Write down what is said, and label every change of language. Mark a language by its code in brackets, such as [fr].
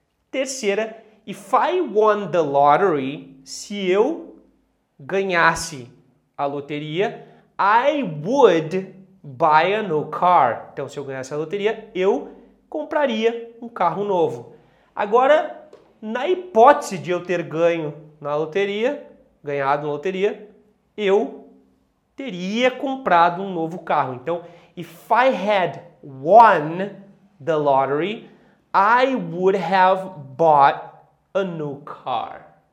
[en] Terceira, if I won the lottery, [pt] se eu ganhasse a loteria, [en] I would buy a new car. [pt] Então, se eu ganhasse a loteria, eu compraria um carro novo. Agora, na hipótese de eu ter ganho na loteria, ganhado na loteria, eu teria comprado um novo carro. [en] Então, if I had won the lottery, I would have bought a new car.